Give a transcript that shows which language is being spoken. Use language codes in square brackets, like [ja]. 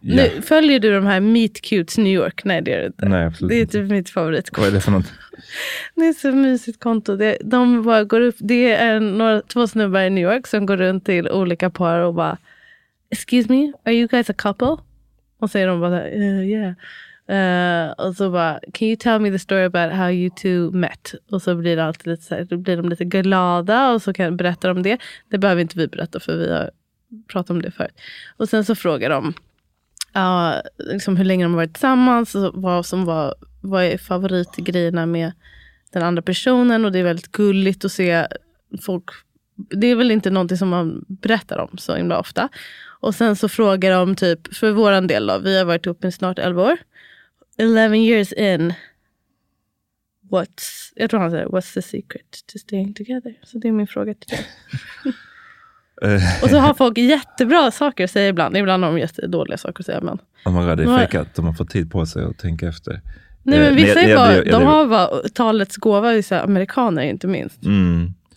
[sv] Yeah. Nu, följer du de här Meet Cutes New York? Nej, det är det inte. Nej, absolut. Det är typ mitt favoritkonto. Vad är det för något? Det är så mysigt konto. De bara går upp. Det är två snubbar i New York som går runt till olika par och bara, [en] excuse me, are you guys a couple? [sv] Och säger de bara, yeah. Och så bara, [en] can you tell me the story about how you two met? [sv] Och så blir det alltid lite så här, då blir de lite glada och så kan berätta om det. Det behöver inte vi berätta, för vi har pratat om det förut. Och sen så frågar de liksom hur länge de har varit tillsammans och vad är favoritgrejerna med den andra personen. Och det är väldigt gulligt att se folk. Det är väl inte någonting som man berättar om så himla ofta. Och sen så frågar de typ, för våran del då, vi har varit ihop i snart 11 år. [en] 11 years in, what's the secret to staying together? [sv] Så det är min fråga till dig. Och så har folk jättebra saker att säga ibland. Ibland har de jättedåliga saker att säga, men... [en] Oh my god, [sv] det är fejkat. De har fått tid på sig att tänka efter. Nej, men vissa har bara talets gåva, vissa amerikaner inte minst. Mm.